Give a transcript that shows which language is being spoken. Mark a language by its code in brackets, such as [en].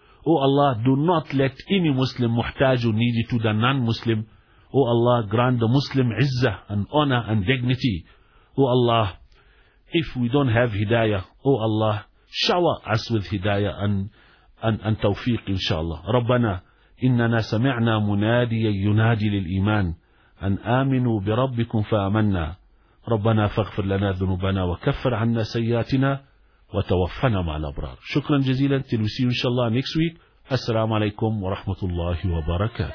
[en] Oh Allah, do not let any Muslim muhtaj or needy to the non-Muslim. Oh Allah, grant the Muslim izzah and honor and dignity. Oh Allah, if we don't have hidayah, oh Allah, shower us with hidayah and tawfiq inshallah. [ar] Rabbana, innana sami'na munadiya yunadi lil iman. أن آمنوا بربكم فآمنا ربنا فاغفر لنا ذنوبنا وكفر عنا سيئاتنا وتوفنا مع الأبرار. شكرا جزيلا. [en] Till we see you inshallah next week. [ar] السلام عليكم ورحمة الله وبركاته.